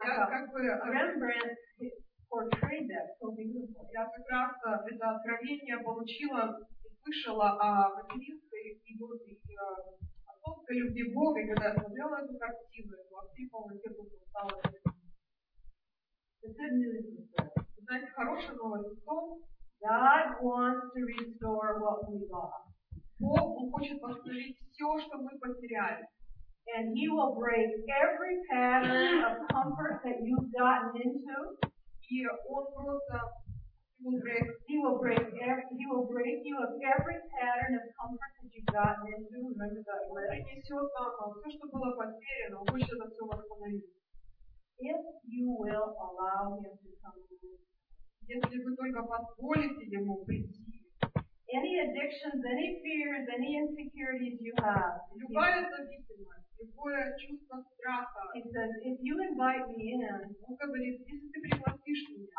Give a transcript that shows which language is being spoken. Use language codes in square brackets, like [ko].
[en] Rembrandt portrayed that so beautifully. [ru] Я как раз это откровение получила и слышала о материнской и отцовской любви Бога, и когда я смотрела эту картину, то во всей полноте Духа стало. Знаете, хорошая новость в том, [en] God wants to restore what we lost. [ru] Бог, Он хочет восстановить все, что мы потеряли. [en] And He will break every pattern of comfort that you've gotten into. [ru] И Он просто [en] He will break you of every pattern of comfort that you've gotten into. Remember that list. [ru] Он принесет вам все, что было потеряно, Он хочет это все восстановить. [en] If you will allow Him to come to you. [ru] Если вы только позволите Ему прийти. [en] Any addictions, any fears, any insecurities you have. [ru] Любая зависимость, любое чувство страха. [en] He says, if you invite me in, [ru] Он говорит, если ты пригласишь меня,